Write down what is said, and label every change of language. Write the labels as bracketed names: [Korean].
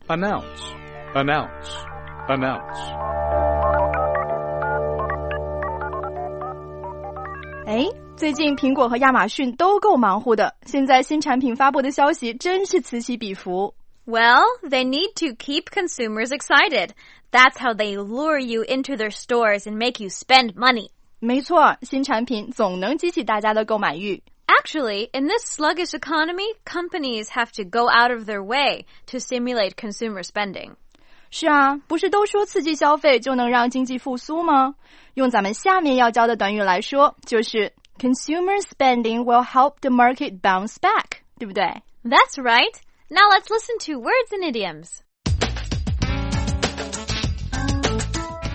[English] announce, announce, announce. [Chinese] 哎，最近苹果和亚马逊都够忙乎的，现在新产品发布的消息真是此起彼伏。 [English] Well, they need to keep consumers excited. That's how they lure you into their stores and make you spend money. [Chinese] 没错，新产品总能激起大家的购买欲。 [English] Actually, in this sluggish economy, companies have to go out of their way to stimulate consumer spending. [Chinese] 是啊，不是都说刺激消费就能让经济复苏吗？用咱们下面要教的短语来说，就是 [English] Consumer spending will help the market bounce back, [Chinese] 对不对？ [English] That's right. Now let's listen to words and idioms.